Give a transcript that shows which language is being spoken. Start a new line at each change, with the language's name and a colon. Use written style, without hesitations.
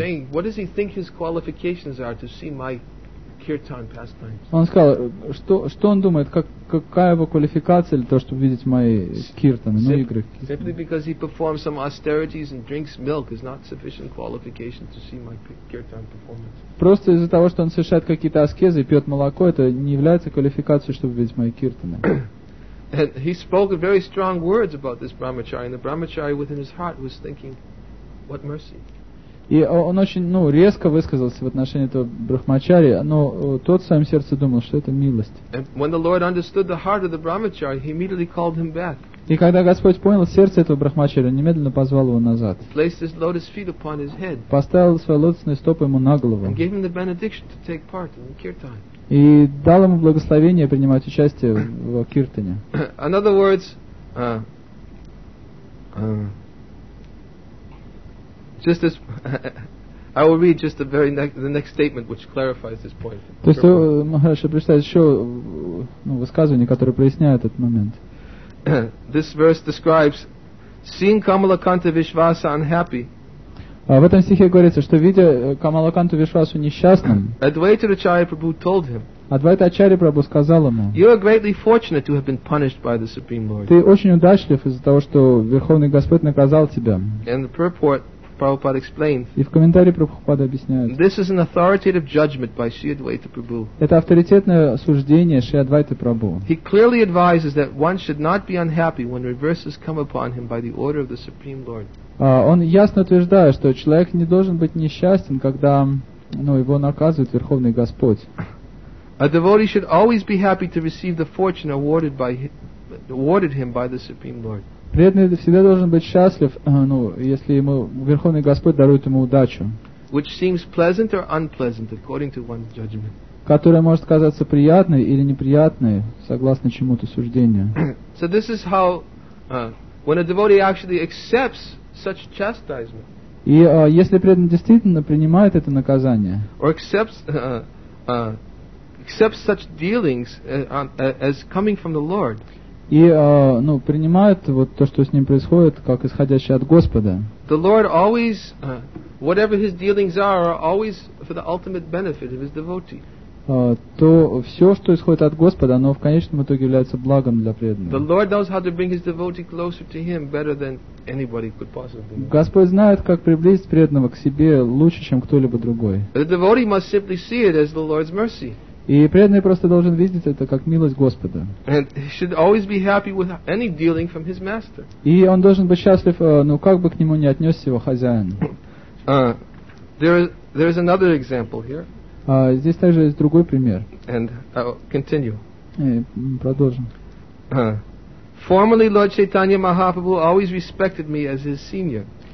English: Saying, what does he think his qualifications are to see my kirtan pastimes?
Russian: Он сказал, что он думает, какая его квалификация для того, чтобы видеть мои киртаны, игры.
English: Simply because he performs some austerities and drinks milk is not sufficient qualification to see my kirtan performance.
Russian: Просто из-за того, что он совершает какие-то аскезы и пьет молоко, это не является квалификацией, чтобы видеть мои киртаны.
English: And he spoke very strong words about this brahmachari, and the brahmachari within his heart was thinking, what mercy.
Russian: И он очень, резко высказался в отношении этого брахмачари, но тот в своем сердце думал, что это милость.
English: And when the Lord understood the heart of the brahmachari, he immediately called him back.
Russian: И когда Господь понял сердце этого брахмачари, он немедленно позвал его назад.
English: Placed his lotus feet upon his head.
Russian: Поставил свои лотосные стопы ему на голову.
English: And gave him the benediction to take part in the kirtan.
Russian: И дал ему благословение принимать участие в киртане.
English: In other words, just as I will read just the next statement which clarifies this point.
Russian: То есть, Махараш, представьте еще высказывание, которое проясняет этот момент.
English: This verse describes seeing Kamalakanta Vishvasa unhappy.
Russian: В этом стихе говорится, что видя Камалаканту Вишвасу несчастным,
English: Advaita Acharya Prabhu told him.
Russian: Advaita Acharya Prabhu сказал ему.
English: You are greatly fortunate to have been punished by the Supreme Lord.
Russian: Ты очень удачлив из-за того, что Верховный Господь наказал тебя.
English: And the purport Prabhupada explained.
Russian: И в комментарии Прабхупада объясняет.
English: This is an authoritative judgment by Sri Advaita Prabhu.
Russian: Это авторитетное суждение Шри Адвайты Прабху.
English: He clearly advises that one should not be unhappy when reverses come upon him by the order of the Supreme Lord.
Russian: Он ясно утверждает, что человек не должен быть несчастен, когда его наказывает Верховный Господь.
English: A devotee should always be happy to receive the fortune awarded him by the Supreme Lord.
Russian: Преданный всегда должен быть счастлив, если ему Верховный Господь дарует ему удачу.
English: Which seems pleasant or unpleasant according to one's judgment.
Russian: Которая может казаться приятной или неприятной, согласно чему-то суждению.
English: So this is how, when a devotee actually accepts such chastisement.
Russian: И если преданный действительно принимает это наказание.
English: Or accepts such dealings as coming from the Lord.
Russian: И принимает вот то, что с ним происходит, как исходящее от Господа.
English: The Lord always, whatever his dealings are always for the ultimate benefit of his devotee.
Russian: То все, что исходит от Господа, оно в конечном итоге является благом для преданного.
English: The Lord knows how to bring his devotee closer to him better than anybody could possibly.
Russian: Господь знает, как приблизить преданного к себе лучше, чем кто-либо другой.
English: The devotee must simply see it as the Lord's mercy.
Russian: И преданный просто должен видеть это как милость Господа.
English: And he should always be happy with any dealing from his master.
Russian: И он должен быть счастлив, как бы к нему ни отнесся его хозяин.
English: There is another example here.
Russian: Здесь также есть другой пример.
English: And I'll continue.
Russian: И продолжим.
English: Formerly Lord Chaitanya Mahaprabhu always respected me as his senior.